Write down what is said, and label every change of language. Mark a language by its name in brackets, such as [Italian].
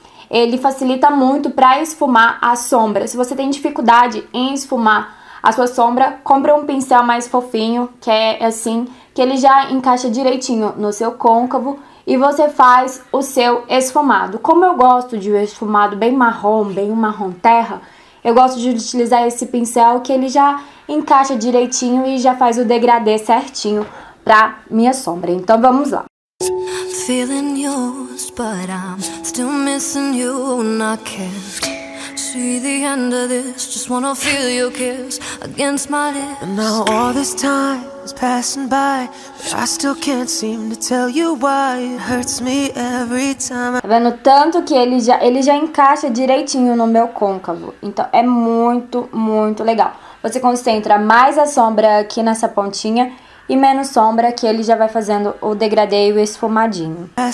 [Portuguese] Ele facilita muito para esfumar a sombra. Se você tem dificuldade em esfumar a sua sombra, compre um pincel mais fofinho, que é assim, que ele já encaixa direitinho no seu côncavo e você faz o seu esfumado. Como eu gosto de um esfumado bem marrom, bem um marrom terra, eu gosto de utilizar esse pincel que ele já encaixa direitinho e já faz o degradê certinho pra minha sombra. Então vamos lá. [English] Feeling used, but I'm still missing you and I can't see the end of this. Just wanna feel your kiss against my lips. And now all this time is passing by, but I still can't seem to tell you why it hurts me every time. [Portuguese] Tá vendo tanto que ele já encaixa direitinho no meu côncavo. Então é muito, muito legal. Você concentra mais a sombra aqui nessa pontinha e menos sombra, que ele já vai fazendo o degradê e o esfumadinho.